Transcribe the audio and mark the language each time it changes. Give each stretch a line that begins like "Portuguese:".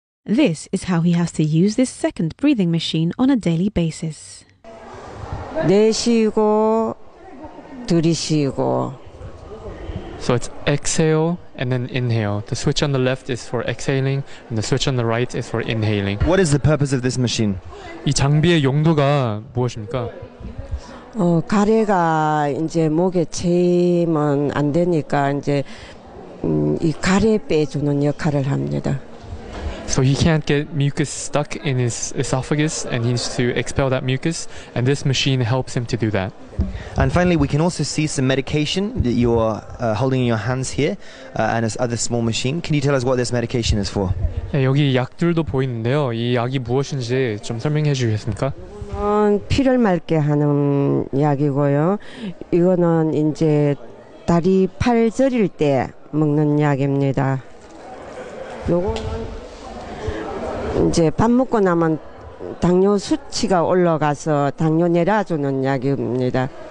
English: This is how he has to use this second breathing machine on a daily basis.
Korean: 내쉬고 들이쉬고.
English: So it's exhale and then inhale. The switch on the left is for exhaling and the switch on the right is for inhaling. What is the purpose of this machine?
Korean: 이 장비의 용도가 무엇입니까? 가래가 이제 목에 채이면 안 되니까 이제 이 가래 빼주는 역할을 합니다.
English: So he can't get mucus stuck in his esophagus and he needs to expel that mucus and this machine helps him to do that. And finally, we can also see some medication that you are holding in your hands here and this other small machine. Can you tell us what this medication is for?
Korean: 네, 여기 약들도 보이는데요. 이 약이 무엇인지 좀 설명해 주시겠습니까? 이건 피를 맑게 하는 약이고요. 이거는 이제 다리 팔 저릴 때 먹는 약입니다. 요거는 이제 밥 먹고 나면 당뇨 수치가 올라가서 당뇨 내려주는 약입니다.